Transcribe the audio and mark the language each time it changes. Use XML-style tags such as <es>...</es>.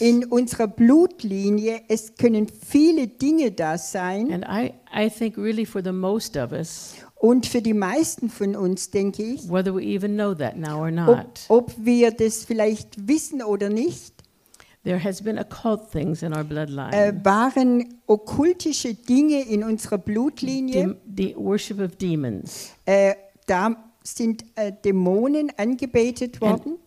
<de>In unserer Blutlinie, es können viele Dinge da sein.</de> <en>And I think really for the most of us,</en> <de>und für die meisten von uns, denke ich,</de> <en>whether we even know that now or not,</en> <de>ob wir das vielleicht wissen oder nicht,</de> <en>there has been occult things in our bloodline.</en> <de>Waren okkultische Dinge in unserer Blutlinie.</de> <en>The worship of demons.</en> <de>Da sind Dämonen angebetet worden.</de>